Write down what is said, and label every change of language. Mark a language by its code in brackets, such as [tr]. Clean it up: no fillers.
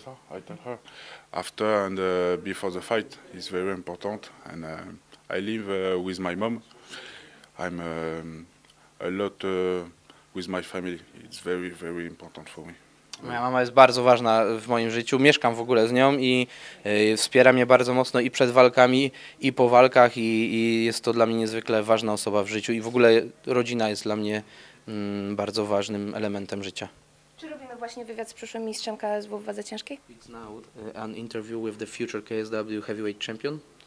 [en] I tell her after and before the fight is very important. And I live with my mom. I'm a lot with my family. It's very, very important for me. [pl] Moja mama jest bardzo ważna w moim życiu. Mieszkam w ogóle z nią i wspiera mnie bardzo mocno i przed walkami, i po walkach. I jest to dla mnie niezwykle ważna osoba w życiu. I w ogóle rodzina jest dla mnie bardzo ważnym elementem życia. Czy robimy właśnie wywiad z przyszłym mistrzem KSW w wadze ciężkiej? [en] It's now an interview with the future KSW heavyweight champion.